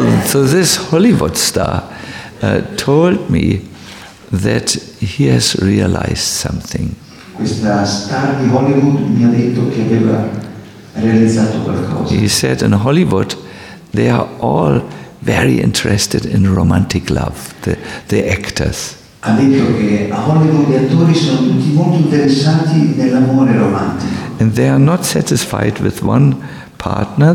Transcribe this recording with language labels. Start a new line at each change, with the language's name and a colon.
English: So this Hollywood star told me that he has realized something. He said in Hollywood they are all very interested in romantic love, the actors.
Italian: Ha detto che a Hollywood gli attori sono tutti molto interessati nell'amore romantico.
English: And they are not satisfied with one partner.